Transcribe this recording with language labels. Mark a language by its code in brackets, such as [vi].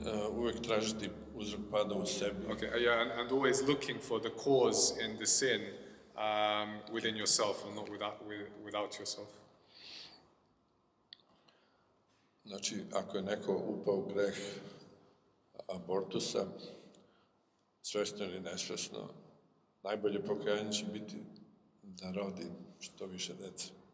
[sr] Uvijek tražiti uzrok pada u sebi. [en] Okay, yeah, and always looking for the cause in the sin within yourself and not without yourself. [sr] Znači, ako je neko upao u greh abortusa, svjesno ili nesvjesno, najbolje pokajanje će biti da rodi što više djece.